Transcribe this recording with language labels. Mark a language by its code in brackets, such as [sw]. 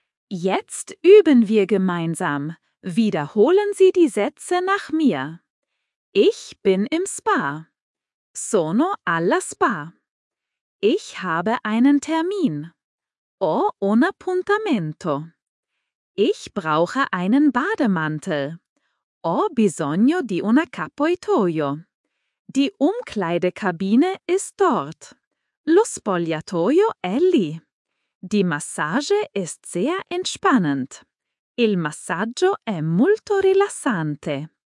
[de] Jetzt üben wir gemeinsam. Wiederholen Sie die Sätze nach mir. Ich bin im Spa. [it] Sono alla spa. [de] Ich habe einen Termin. [it] Ho un appuntamento. [de] Ich brauche einen Bademantel. [it] Ho bisogno di un accappatoio. [de] Die Umkleidekabine ist dort. [it] Lo spogliatoio è lì. [de] Die Massage ist sehr entspannend. [it] Il massaggio è molto rilassante.